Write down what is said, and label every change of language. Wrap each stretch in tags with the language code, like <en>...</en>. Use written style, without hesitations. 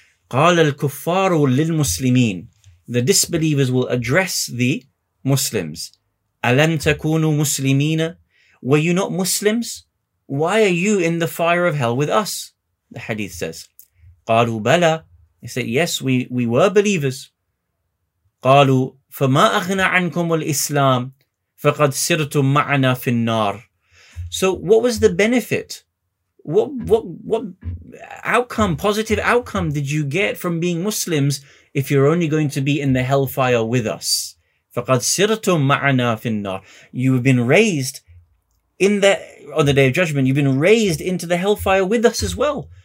<ar>قَالَ الْكُفَّارُ لِلْمُسْلِمِينَ.</ar> <en>The disbelievers will address the Muslims.</en> <ar>أَلَمْ تَكُونُوا مُسْلِمِينَ.</ar> <en>Were you not Muslims? Why are you in the fire of hell with us? The hadith says.</en> <ar>قَالُوا بَلَى.</ar> <en>They said, yes, we were believers.</en> <ar>قالوا فما أغنى عنكم الإسلام فقد سرتم معنا في النار.</ar> <en>So what was the benefit? What outcome, positive outcome did you get from being Muslims if you're only going to be in the hellfire with us?</en> <ar>فَقَدْ سِرْتُمْ مَعَنَا فِي النَّارِ.</ar> <en>You have been raised in the, on the Day of Judgment, you've been raised into the hellfire with us as well.</en>